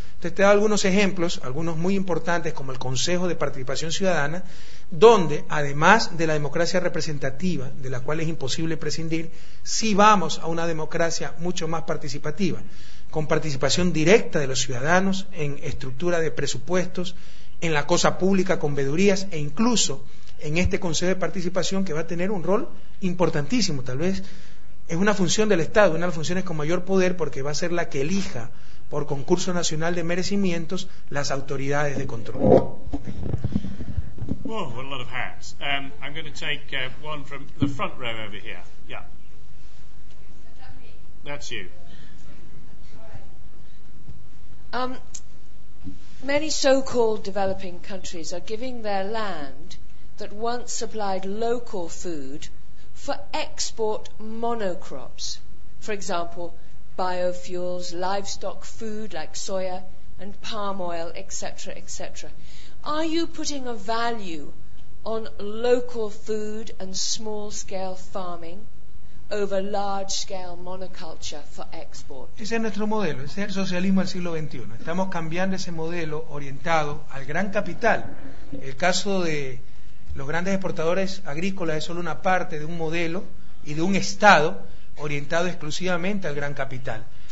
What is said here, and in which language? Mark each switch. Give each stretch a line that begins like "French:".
Spanish: Entonces, te he dado algunos ejemplos, algunos muy importantes, como el Consejo de Participación Ciudadana, donde, además de la democracia representativa, de la cual es imposible prescindir, sí vamos a una democracia mucho más participativa, con participación directa de los ciudadanos en estructura de presupuestos, en la cosa pública con vedurías e incluso en este Consejo de Participación, que va a tener un rol importantísimo, tal vez es una función del Estado, una de las funciones con mayor poder, porque va a ser la que elija por concurso nacional de merecimientos las autoridades de control.
English: Whoa, what a lot of hands. I'm going to take one from the front row over here. Yeah. That's you. Many so-called developing countries are giving their land that once supplied local food for export monocrops. For example, biofuels, livestock food like soya and palm oil, etc., etc. Are you putting a value on local food and small-scale farming over large-scale monoculture for export?
Spanish: Ese es nuestro modelo, ese es el socialismo del siglo XXI. Estamos cambiando ese modelo orientado al gran capital. El caso de los grandes exportadores agrícolas es solo una parte de un modelo y de un Estado orientado exclusivamente al gran capital.